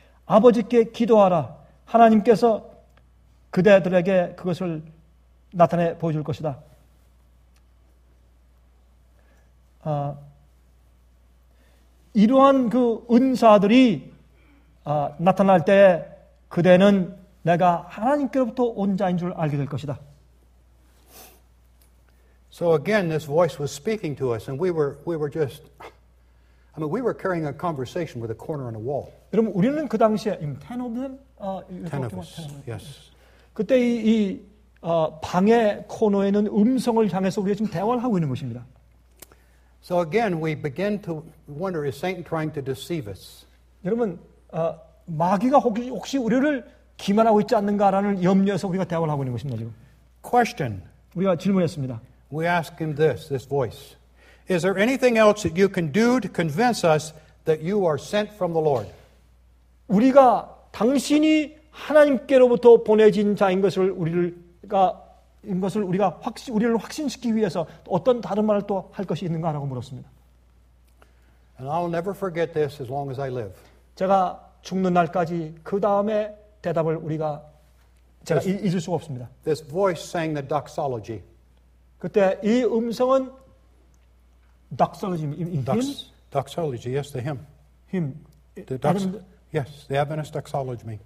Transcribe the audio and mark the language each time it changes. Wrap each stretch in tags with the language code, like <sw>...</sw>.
<ko>아버지께 기도하라. 하나님께서 그대들에게 그것을 나타내 보여줄 것이다. 이러한 그 은사들이 나타날 때 그대는 내가 하나님께로부터 온 자인 줄 알게 될 것이다.</ko> <en>So again, this voice was speaking to us, and we were just, I mean, we were carrying a conversation with a corner on a wall.</en> <ko>여러분, 우리는 그 당시에</ko> <en>ten of them, ten of us, yes.</en> <ko>그때 이 방의 코너에는 음성을 향해서 우리가 지금 대화를 하고 있는 것입니다.</ko> <en>So again, we begin to wonder: Is Satan trying to deceive us?</en> <ko>여러분, 마귀가 혹시 우리를 기만하고 있지 않는가라는 염려에서 우리가 대화를 하고 있는 것입니다. 지금.</ko> <en>Question.</en> <ko>우리가 질문했습니다.</ko> <en>We ask him this voice: Is there anything else that you can do to convince us that you are sent from the Lord?</en> <ko>우리가 당신이 하나님께로부터 보내진 자인 것을 우리를 확신시키기 위해서 어떤 다른 말을 또 할 것이 있는가라고 물었습니다.</ko> <en>And I'll never forget this as long as I live.</en> <ko>제가 죽는 날까지 그 다음에 대답을 제가 잊을 수가 없습니다.</ko> <en>This voice sang the doxology.</en> <ko>그때 이 음성은 doxology, hymn?</ko> <en>Doxology, yes, the hymn. Hymn. The doxology. Yes, the Adventist doxology.</en>